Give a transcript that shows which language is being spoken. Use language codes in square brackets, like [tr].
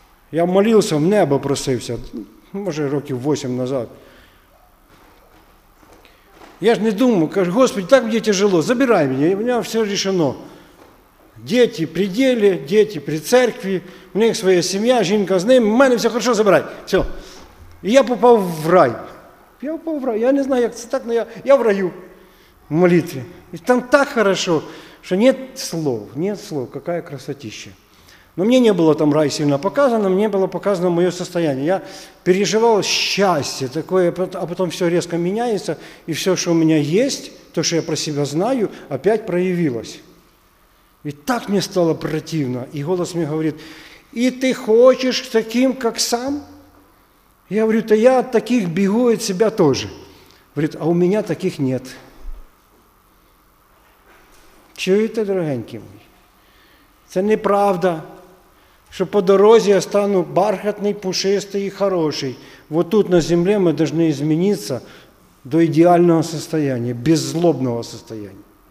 [ru] Я молился, в небо просився, может, 8 років назад. Я же не думал, говорю, Господи, так мне тяжело, забирай меня, у меня все решено. Дети при деле, дети при церкви, у них своя семья, жінка с ним, у меня все хорошо, забирай, все. И я попал в рай. Я упал в раю. Я не знаю, [uk] як це так, [ru] но я в раю [uk] в молитві. [ru] І там так хорошо, що нет слов, какая красотища. Но мне не было там рай сильно показано, мне было показано моє состояние. Я переживал счастье такое, а потом все резко меняется, и все, что у меня есть, то, что я про себя знаю, опять проявилось. И так мне стало противно. И голос мне говорит, и ты хочешь таким, как сам? Я говорю, то я от таких бегу от себя тоже. Говорит, а у меня таких нет. [uk] Чуєте, дорогенькі мої? Це неправда, що по дорозі я стану бархатний, пушистий і хороший. Вот тут на землі ми повинні змінитися до ідеального [ru] состояния, беззлобного состояния.